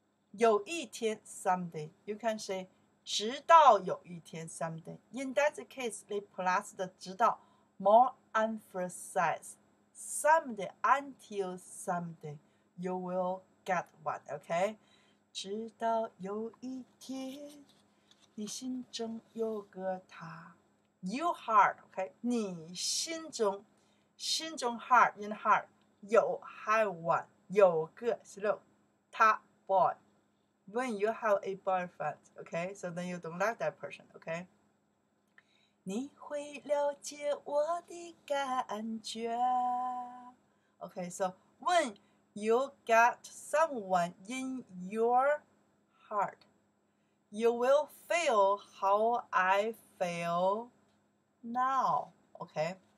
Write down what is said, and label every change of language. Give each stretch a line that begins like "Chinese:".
English: 有一天 someday, you can say
Chinese: 直到有一天
English: someday. In that case, they plus the 直到 more emphasize someday until someday, you will get one, okay?
Chinese: 直到有一天你心中有个他
English: your heart, okay? 你心中心中 heart, in heart, 有 have one, 有个 slow, 他 boy. When you have a boyfriend, okay? So then you don't like that person, okay?
Chinese: 你会了解我的感觉
English: Okay, so when you get someone in your heart, you will feel how I feel now, okay?